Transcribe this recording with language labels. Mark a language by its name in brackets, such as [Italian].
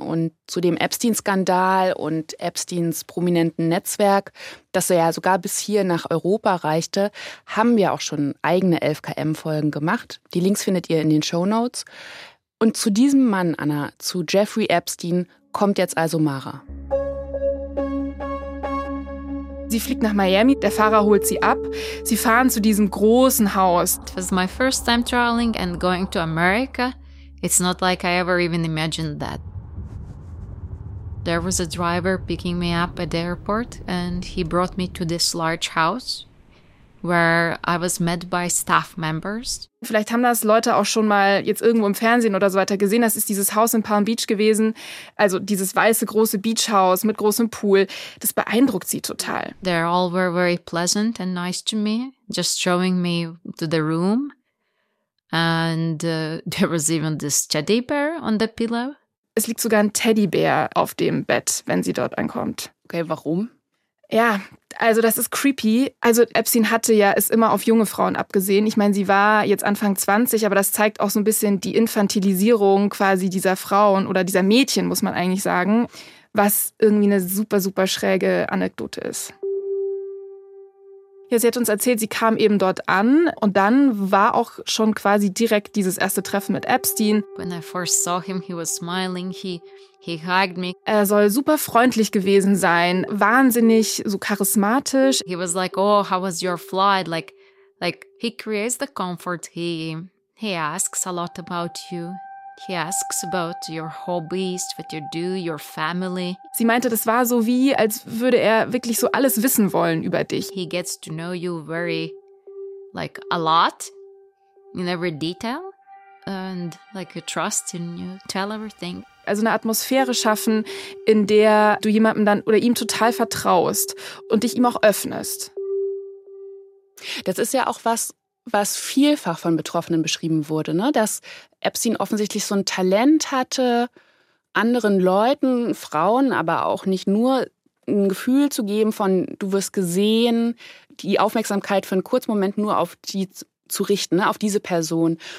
[German] Und zu dem Epstein-Skandal und Epsteins prominenten Netzwerk, das er ja sogar bis hier nach Europa reichte, haben wir auch schon eigene 11KM-Folgen gemacht. Die Links findet ihr in den Shownotes. Und zu diesem Mann, Anna, zu Jeffrey Epstein, kommt jetzt also Mara. Sie fliegt nach Miami, der Fahrer holt sie ab. Sie fahren zu diesem großen Haus. [English] It was my first time traveling and going to America. It's not like I ever even imagined that. There was a driver picking me up at the airport and he brought me to this large house where I was met by staff members. [German] Vielleicht haben das Leute auch schon mal jetzt irgendwo im Fernsehen oder so weiter gesehen. Das ist dieses Haus in Palm Beach gewesen. Also dieses weiße, große Beachhaus mit großem Pool. Das beeindruckt sie total. [English] They all were very pleasant and nice to me. Just showing me to the room. And there was even this teddy bear on the pillow. [German] Es liegt sogar ein Teddybär auf dem Bett, wenn sie dort ankommt. Okay, warum? Ja, also das ist creepy. Also Epstein hatte ja es immer auf junge Frauen abgesehen. Ich meine, sie war jetzt Anfang 20, aber das zeigt auch so ein bisschen die Infantilisierung quasi dieser Frauen oder dieser Mädchen, muss man eigentlich sagen, was irgendwie eine super, super schräge Anekdote ist. Ja, sie hat uns erzählt, sie kam eben dort an und dann war auch schon quasi direkt dieses erste Treffen mit Epstein. [English] When I first saw him, he was smiling, he hugged me. [German] Er soll super freundlich gewesen sein, wahnsinnig so charismatisch. [English] He was like, oh, how was your flight? Like he creates the comfort, he asks a lot about you. He asks about your hobbies, what you do, your family. [German] Sie meinte, das war so wie, als würde er wirklich so alles wissen wollen über dich. [English] He gets to know you very, like, a lot, in every detail, and, like, you trust and you tell everything. [German] Also eine Atmosphäre schaffen, in der du jemandem dann oder ihm total vertraust und dich ihm auch öffnest. Das ist ja auch was vielfach von Betroffenen beschrieben wurde, ne? Dass Epstein offensichtlich so ein Talent hatte, anderen Leuten, Frauen, aber auch nicht nur, ein Gefühl zu geben von, du wirst gesehen, die Aufmerksamkeit für einen kurzen Moment nur auf die zu richten, ne? Auf diese Person.